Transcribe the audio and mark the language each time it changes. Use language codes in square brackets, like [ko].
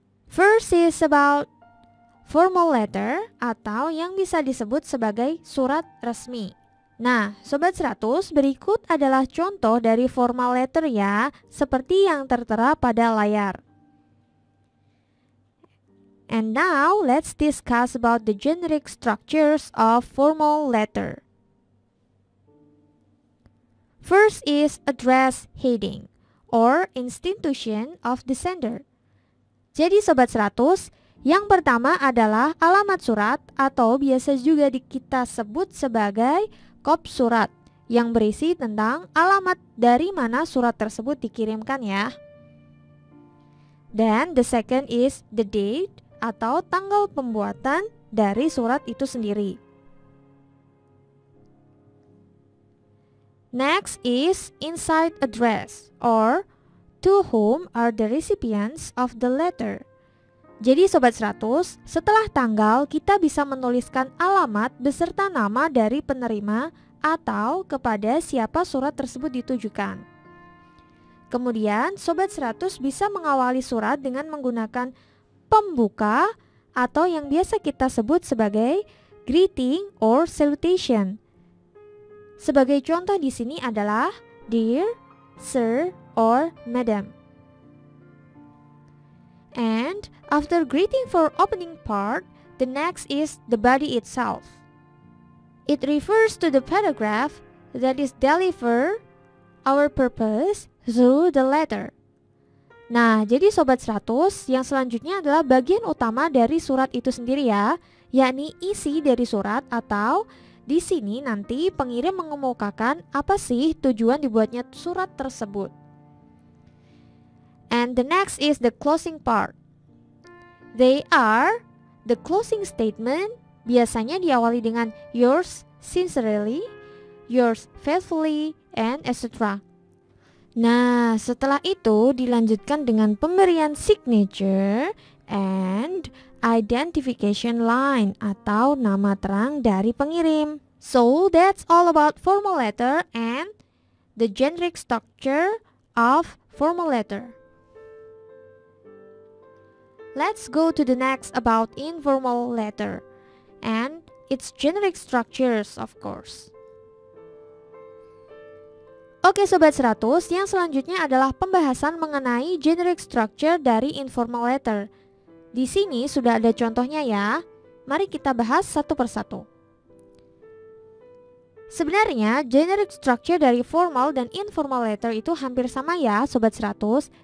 [en] First is about formal letter [id] atau yang bisa disebut sebagai surat resmi. Nah, Sobat 100, berikut adalah contoh dari formal letter ya, seperti yang tertera pada layar. [en] And now, let's discuss about the generic structures of formal letter. First is address heading, or institution of the sender. [id] Jadi, Sobat 100, Yang pertama adalah alamat surat atau biasa juga kita sebut sebagai kop surat, yang berisi tentang alamat dari mana surat tersebut dikirimkan ya. [en] Then the second is the date [id] atau tanggal pembuatan dari surat itu sendiri. [en] Next is inside address or to whom are the recipients of the letter. [id] Jadi Sobat 100, setelah tanggal kita bisa menuliskan alamat beserta nama dari penerima atau kepada siapa surat tersebut ditujukan. Kemudian Sobat 100 bisa mengawali surat dengan menggunakan pembuka atau yang biasa kita sebut sebagai [en] greeting or salutation. [id] Sebagai contoh di sini adalah [en] dear, sir, or madam. And after greeting for opening part, the next is the body itself. It refers to the paragraph that is deliver our purpose through the letter. [id] Nah, jadi Sobat 100, yang selanjutnya adalah bagian utama dari surat itu sendiri ya, yakni isi dari surat atau di sini nanti pengirim mengemukakan apa sih tujuan dibuatnya surat tersebut. [en] And the next is the closing part. They are the closing statement, [id] biasanya diawali dengan [en] yours sincerely, yours faithfully, and etc. [id] Nah, setelah itu dilanjutkan dengan pemberian [en] signature and identification line [id] atau nama terang dari pengirim. [en] So, that's all about formal letter and the generic structure of formal letter. Let's go to the next about informal letter and its generic structures, of course. [id] Oke, Sobat 100, yang selanjutnya adalah pembahasan mengenai generic structure dari informal letter. Di sini sudah ada contohnya ya. Mari kita bahas satu persatu. Sebenarnya, generic structure dari formal dan informal letter itu hampir sama ya, Sobat 100.